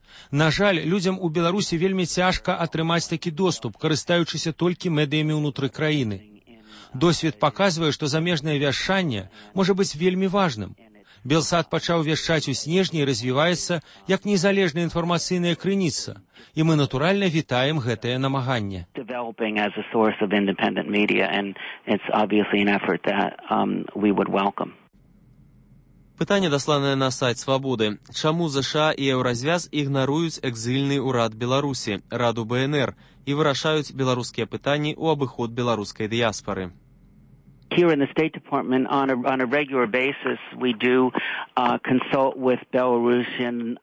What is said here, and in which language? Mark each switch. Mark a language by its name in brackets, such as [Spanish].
[Belarusian] На жаль, людзям у Беларусі вельмі цяжка атрымаць такі доступ, карыстаючыся толькі медыямі ўнутры краіны. Досвід паказвае, што замежнае вяшчанне можа быць вельмі важным. Белсат пачаў вяшчаць у снежні і развіваецца як незалежная інфармацыйная крыніца. І мы, натуральна, вітаем гэтае намаганне. [English] Developing as a source of independent media, and it's obviously an effort that we would welcome. [Belarusian] Пытанне дасланае на сайт «Свабоды». Чаму США і Еўразвяз ігнаруюць экзыльны ўрад Беларусі, Раду БНР, і вырашаюць беларускія пытанні ў абыход беларускай дыяспары? [English] Here in the State Department on a regular basis we do consult with Belarusian